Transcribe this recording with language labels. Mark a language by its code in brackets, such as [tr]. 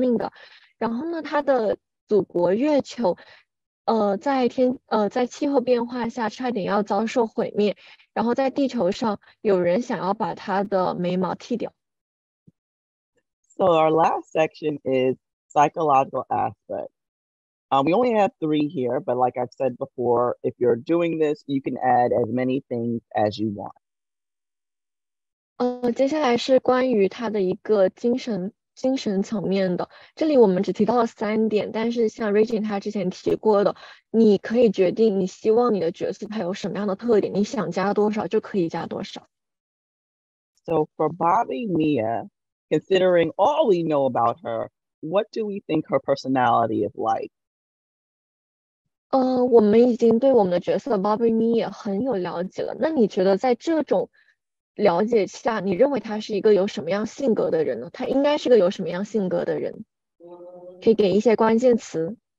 [zh] 她一个生命的转折点就是她曾经有次去了地球，然后发现了地球上居然是有生命的。然后呢，她的祖国月球。在气候变化下差点要遭受毁灭，然后在地球上有人想要把他的眉毛剃掉。So [en] our last section is psychological aspect. We only have three here, but like I've said before, if you're doing this, you can add as many things as you want. [zh] 接下来是关于他的一个精神层面的，这里我们只提到了三点，但是像 Regine 他之前提过的，你可以决定你希望你的角色他有什么样的特点，你想加多少就可以加多少。So [en] for Bobby Mia, considering all we know about her, what do we think her personality is like? [zh] 我们已经对我们的角色 Bobby Me 也很有了解了。那你觉得在这种了解下，你认为他是一个有什么样性格的人呢？他应该是个有什么样性格的人？可以给一些关键词。